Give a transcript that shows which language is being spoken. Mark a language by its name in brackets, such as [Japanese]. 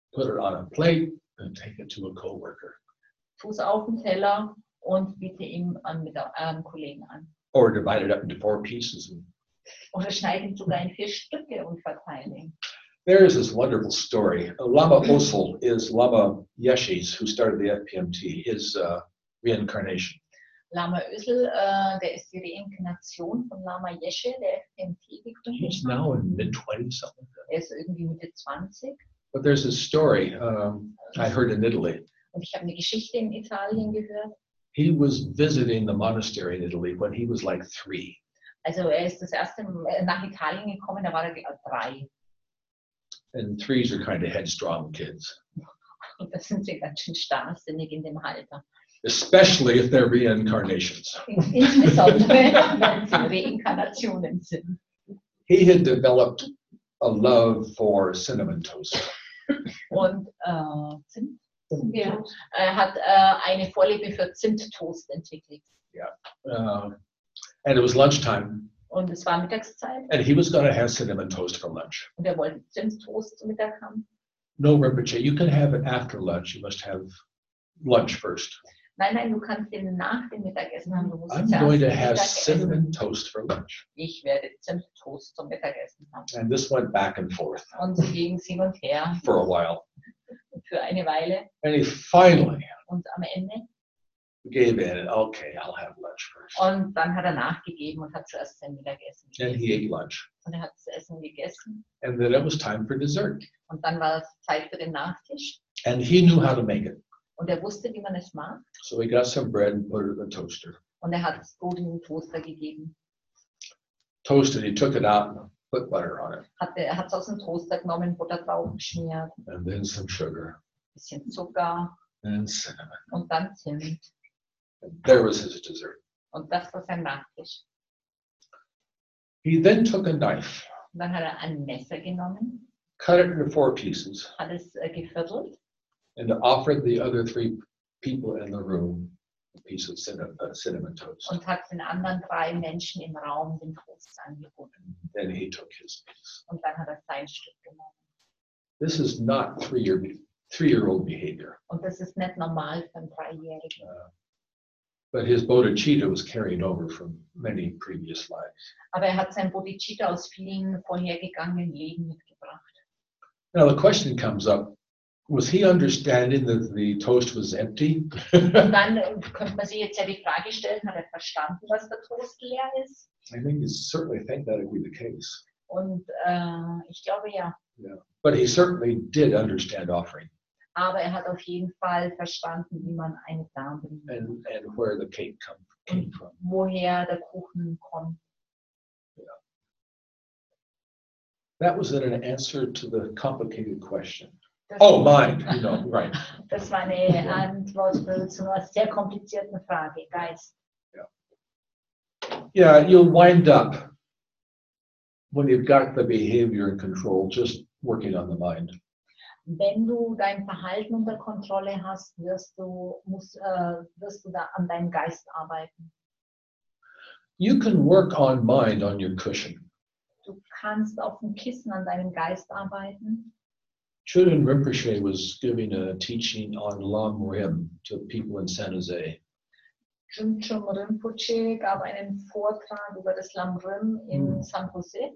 [English] Put it on a plate and take it to a coworker. [German] Tu es auf den Teller. Und biete ihm an mit einem Kollegen an. [English] Or divide it up into four pieces. [German] Oder schneide ihn sogar in vier Stücke und verteile ihn. [English] There is this wonderful story. Lama Ossol is Lama Yeshe's, who started the FPMT, his reincarnation. [German] Lama Ossol, der ist die Reinkarnation von Lama Yeshe, der FPMT gegründet. [English] He's now in mid-20s. [German] Er ist irgendwie Mitte 20. [English] But there's a story I heard in Italy. [German] Und ich habe eine Geschichte in Italien gehört. [English] He was visiting the monastery in Italy when he was like 3. [German] Also er ist das erste nach Italien gekommen, da war er 3. [English] And 3s are kind of headstrong kids. [German] Und das sind sie ganz schön starrsinnig in dem Alter. [English] Especially if they're reincarnations. [German] Insbesondere wenn sie Reinkarnationen sind. [English] He had developed a love for cinnamon toast. [German] Und er hat eine Vorliebe für Zimttoast entwickelt. [English] And it was lunchtime. [German] Und es war Mittagszeit. [English] And he was going to have cinnamon toast for lunch. [German] Und er wollte Zimttoast zu Mittag haben. [English] No, Rinpoche, you can have it after lunch. You must have lunch first. [German] Nein, du kannst ihn nach dem Mittagessen haben. Du musst [English] I'm going to have cinnamon toast for lunch. [German] Ich werde Zimttoast zum Mittagessen haben. [English] And this went back and forth. [German] Und so ging es hin und her. [English] For a while. [German] Für eine Weile. [English] And he finally [German] und am Ende [English] gave in. Okay, I'll have lunch first. [German] Und dann hat nachgegeben und hat zuerst sein Mittagessen gegessen. [English] And he ate lunch. [German] Und hat das Essen gegessen. [English] And then it was time for dessert. [German] Und dann war es Zeit für den Nachtisch. [English] And he knew how to make it. [German] Und wusste, wie man es macht. [English] So he got some bread and put it in the toaster. [German] Und hat es gut in den Toaster gegeben. [English] Toasted, he took it out. Put butter on it. [German] Er hat es aus dem Toaster genommen, Butter drauf geschmiert. [English] And then some sugar. [German] Ein bisschen Zucker. [English] And cinnamon. [German] Und dann Zimt. And [English] there was his dessert. [German] Und das war sein Nachtisch. [English] He then took a knife. [German] Und dann hat ein Messer genommen. [English] Cut it into four pieces. [German] Hat es geviertelt. [English] And offered the other 3 people in the room a piece of cinnamon toast. [German] Und hat den anderen 3 Menschen im Raum den Toast angeboten. [English] Then he took his piece. [German] Und dann hat sein Stück genommen. [English] This is not three-year-old behavior. [German] Und das ist nicht normal für einen 3-Jährigen. [English] But his bodhicitta was carried over from many previous lives. [German] Aber hat sein Bodhicitta aus vielen vorhergegangenen Leben mitgebracht. [English] Now the question comes up. Was he understanding that the toast was empty? [German] Und dann könnte man sich jetzt ja die Frage stellen, hat verstanden, dass der Toast leer ist? [English] I think he certainly think that would be the case. [German] Und ich glaube ja. [English] Yeah. But he certainly did understand offering. [German] Aber hat auf jeden Fall verstanden, wie man eine darbringt. [English] And where the cake came from. [German] Woher der Kuchen kommt. [English] Yeah. That was an answer to the complicated question. Das oh, mind, you know, right. [German] Das war eine Antwort zu einer sehr komplizierten Frage, Geist. [English] Yeah. Yeah, you'll wind up when you've got the behavior in control, just working on the mind. [German] Wenn du dein Verhalten unter Kontrolle hast, wirst du da an deinem Geist arbeiten. [English] You can work on mind on your cushion. [German] Du kannst auf dem Kissen an deinem Geist arbeiten. [English] Chödrön Rinpoche was giving a teaching on Lam Rim to people in San Jose. [German] Chödrön Rinpoche gab einen Vortrag über das Lam Rim in San Jose.